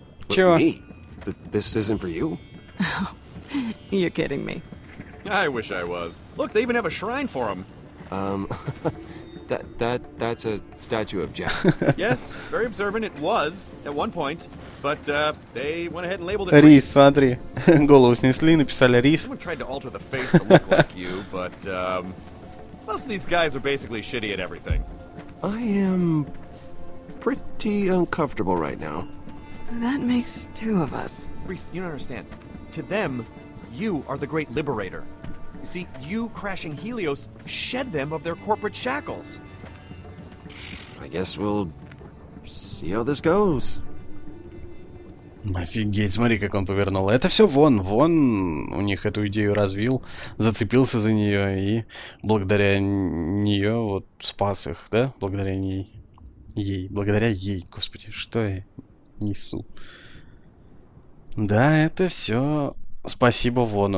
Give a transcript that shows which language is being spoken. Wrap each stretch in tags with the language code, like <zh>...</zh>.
<en>Sure. Me? This isn't for you? You're kidding me. I wish I was. Look, they even have a shrine for him. That's a statue of Jack. Yes, very observant. It was at one point, but they went ahead and labeled it.</en> <ru>Рис, смотри, голову снесли, написали рис.</ru> <en>Someone tried to alter the face to look like you, but most of these guys are basically shitty at everything. I am pretty uncomfortable right now. That makes two of us. Rhys, you don't understand. To them, you are the great liberator. You see, you crashing Helios shed them of their corporate shackles. I guess we'll see how this goes.</en> <ru>Офигеть, смотри, как он повернул. Это все Вон. Вон у них эту идею развил, зацепился за нее и благодаря нее вот спас их, да? Благодаря ней. Ей. Благодаря ей, господи, что я несу. Да, это все спасибо Вону.</ru>